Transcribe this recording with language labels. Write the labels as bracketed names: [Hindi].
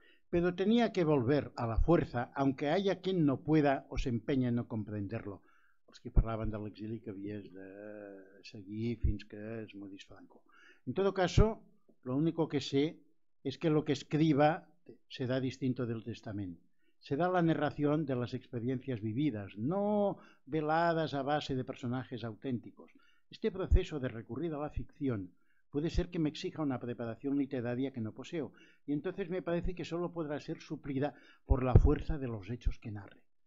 [Spanish] Pero tenía que volver a la fuerza, aunque haya quien no pueda o se empeñe en no comprenderlo. [Catalan] Els que parlaven de l'exili que havies de seguir fins que es morís Franco. [Spanish] En todo caso, lo único que sé es que lo que escriba será distinto del testamento. Será la narración de las experiencias vividas, no veladas a base de personajes auténticos. Este proceso de recurrir a la ficción puede ser que me exija una preparación literaria que no poseo, y entonces me parece que solo podrá ser suplida por la fuerza de los hechos que narre.